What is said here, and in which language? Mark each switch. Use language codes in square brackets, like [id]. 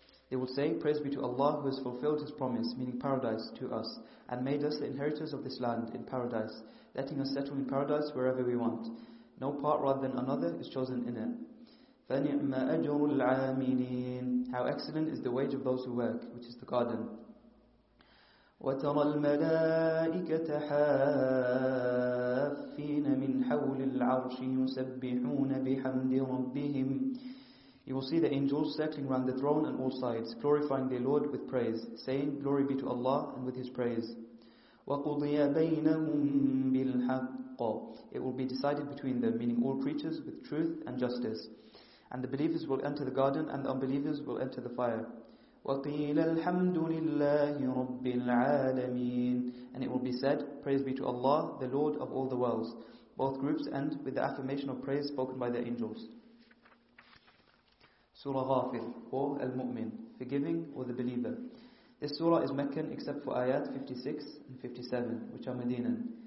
[en] They will say, praise be to Allah who has fulfilled His promise, meaning paradise, to us, and made us the inheritors of this land in paradise, letting us settle in paradise wherever we want. No part rather than another is chosen in it. [ar] فَنِعْمَ أَجْرُ الْعَامِلِينَ. [en] How excellent is the wage of those who work, which is the garden. [ar] وترى الملائكة حافين من حول العرش يسبحون بحمد ربهم. [en] You will see the angels circling round the throne on all sides, glorifying their Lord with praise, saying, glory be to Allah and with His praise. [ar] وقضي بينهم بالحق. [en] It will be decided between them, meaning all creatures, with truth and justice. And the believers will enter the garden, and the unbelievers will enter the fire. [ar] وقيل الحمد لله رب العالمين. [en] And it will be said, praise be to Allah, the Lord of all the worlds. Both groups end with the affirmation of praise spoken by the angels. Surah Ghafir, or Al-Mu'min, forgiving, or the believer. This surah is Meccan except for ayat 56 and 57, which are Medinan.